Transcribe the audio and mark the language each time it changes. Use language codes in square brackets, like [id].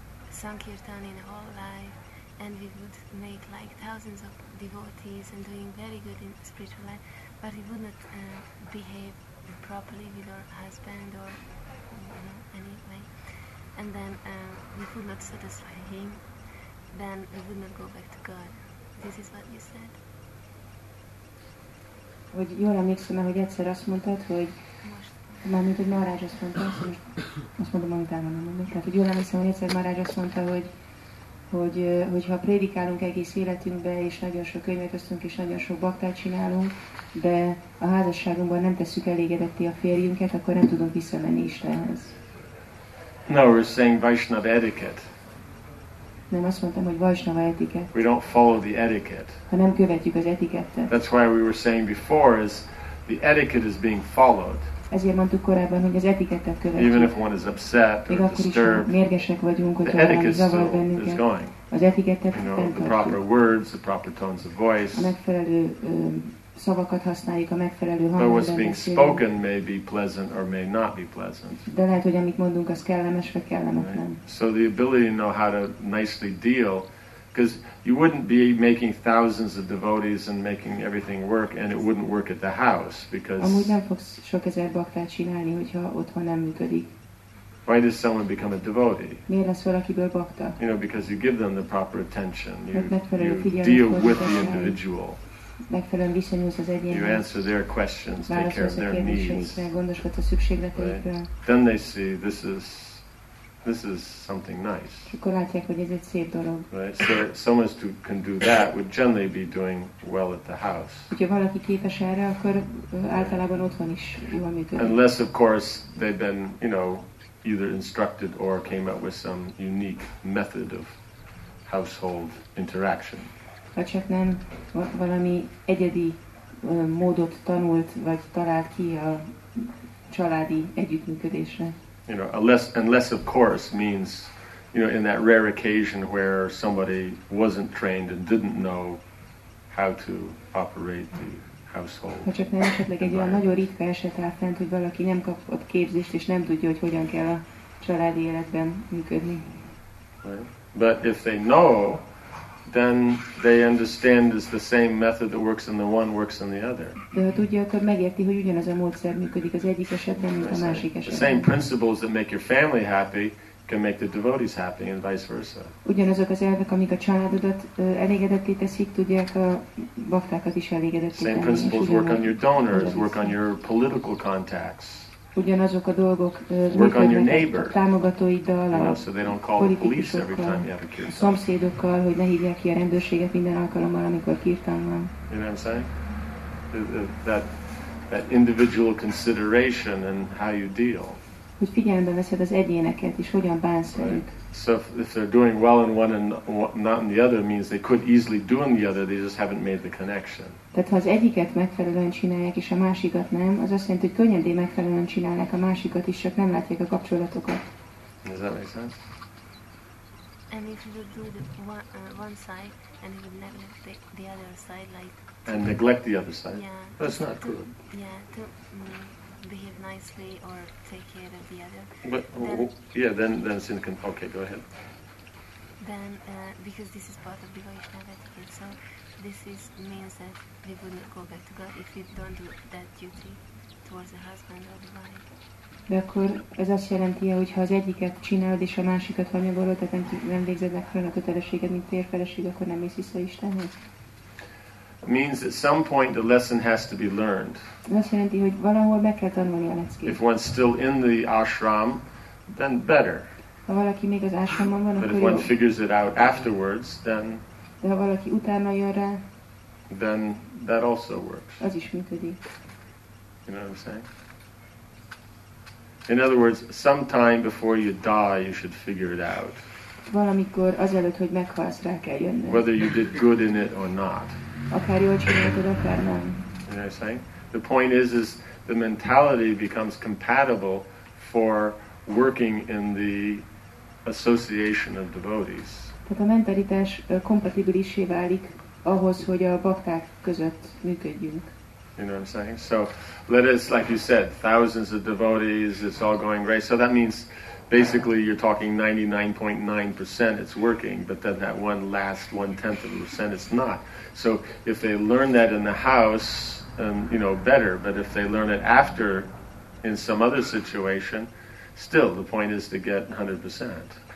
[en] Sankirtan in all life and we would make thousands of devotees and doing very good in spiritual life, but we would not behave properly with our husband or anyway, and then we would not satisfy him, then we would not go back to God. This is what you said. [hu] Hogy jól emlékszem, hogy egyszer azt mondtad, hogy mármint, hogy Maharaj azt mondta, azt mondom, amit elmondom, mondom. Tehát, hogy jól emlékszem, hogy egyszer Maharaj azt mondta, hogy ha prédikálunk egész életünkbe, és nagyon sok könyvet osztunk, és nagyon sok baktát csinálunk, de a házasságunkban nem tesszük elégedetté a férjünket, akkor nem tudunk visszamenni Istenhez. [en] No, we're saying Vaishnava etiquette. [hu] Nem azt mondtam, hogy Vaishnava etiquette. [en] We don't follow the etiquette. [hu] Ha nem követjük az etikettet. [en] That's why we were saying before is the etiquette is being followed. [hu] Ezért mondtuk korábban, hogy az etikettet követjük. [en] Even if one is upset or disturbed, [hu] akkor is mérgesek vagyunk, hogy [en] the etiquette still is going. [hu] Az etikettet fenntartjuk. [en] You know, the proper words, the proper tones of voice. [hu] A megfelelő szavakat használjuk, a megfelelő hangot. [en] But what's being spoken may be pleasant or may not be pleasant. [hu] De lehet, hogy amit mondunk, az kellemes vagy kellemetlen. [en] Right. So the ability to know how to nicely deal, because you wouldn't be making thousands of devotees and making everything work, and it wouldn't work at the house because. [hu] Amúgy nem fogsz sok ezer baktát csinálni, hogyha otthon nem működik. [en] Why does someone become a devotee? [hu] Miért lesz valakiből bakta? [en] You know, because you give them the proper attention. You deal with the individual. [hu] Megfelelően viszonyulsz az egyénhez. [en] You answer their questions, take care of their needs. [hu] Gondoskodsz a szükségleteikről. [en] Then they see this is something nice. [hu] Akkor látják, hogy ez egy szép dolog. [en] Right, so someone who can do that would generally be doing well at the house. [hu] Hogyha valaki képes erre, akkor általában otthon is jól működik. [en] Unless, of course, they've been, you know, either instructed or came up with some unique method of household interaction. [hu] Ha csak nem valami egyedi módot tanult, vagy talált ki a családi együttműködésre. [en] You know, unless of course means, you know, in that rare occasion where somebody wasn't trained and didn't know how to operate the household. [hu] Ha csak nem esetleg egy olyan nagyon ritka eset áll fent, hogy valaki nem kapott képzést, és nem tudja, hogy hogyan kell a családi életben működni. [en] Right. But if they know, then they understand it's the same method that works in the one works in the other. [hu] De ha tudja, akkor megérti, hogy ugyanaz a módszer működik az egyik esetben, mint a másik esetben. [en] The same principles that make your family happy can make the devotees happy and vice versa. [hu] Ugyanazok az elvek, amik a családodat elégedetté teszik, tudják a baktákat is elégedetté tenni. [en] Same principles work on your donors, work on your political contacts. [hu] Ugyanazok a dolgok működnek a támogatóiddal, a politikusokkal, a szomszédokkal, hogy ne hívják ki a rendőrséget minden alkalommal, amikor kirtan van. [en] You know what I'm saying? That individual consideration and how you deal. [hu] Hogy figyelembe veszed az egyéneket, és hogyan bánsz velük. [en] So if they're doing well in one and not in the other, means they could easily do in the other, they just haven't made the connection. [hu] Tehát ha az egyiket megfelelően csinálják, és a másikat nem, az azt jelenti, hogy könnyedén megfelelően csinálják a másikat is, csak nem látják a kapcsolatokat. [en] Does that make sense? And if you would do the one side and you would neglect the other side, like... And neglect the other side? Yeah. That's not to, good. Yeah, to behave nicely or take care of the other. But, then it's in the... Okay, go ahead. Then, because this is part of the Vaishnava etiquette, so this is means that we wouldn't go back to God if we don't do that duty towards the husband or the wife. [hu] De akkor ez azt jelenti, hogy ha az egyiket csinálod és a másikat hanyagolod, tehát nem végzed meg fel a kötelességed, mint térfeleség, akkor nem mész vissza Istenhez. [en] Means at some point the lesson has to be learned. [hu] Azt jelenti, hogy valahol meg kell tanulni a leckét. [en] If one's still in the ashram, then better. [hu] Ha valaki még az ashramon van, [en] but [hu] akkor [en] if one figures it out afterwards, then. [hu] De ha valaki utána jön rá, [en] then that also works. [hu] Az is működik. [en] You know what I'm saying? In other words, sometime before you die, you should figure it out. [hu] Valamikor azelőtt, hogy meghalsz, rá kell jönni. [en] Whether you did good in it or not. [hu] Akár jól csináltad, akár nem. [en] You know what I'm saying? The point is the mentality becomes compatible for working in the association of devotees. [hu] Tehát a mentalitás kompatibilissé válik ahhoz, hogy a bakták között működjünk. [en] You know what I'm saying? So, let us, like you said, thousands of devotees, it's all going great. So that means, basically, you're talking 99.9% it's working, but then that one last 0.1% it's not. So, if they learn that in the house, you know, better, but if they learn it after, in some other situation, still, the point is to get 100%.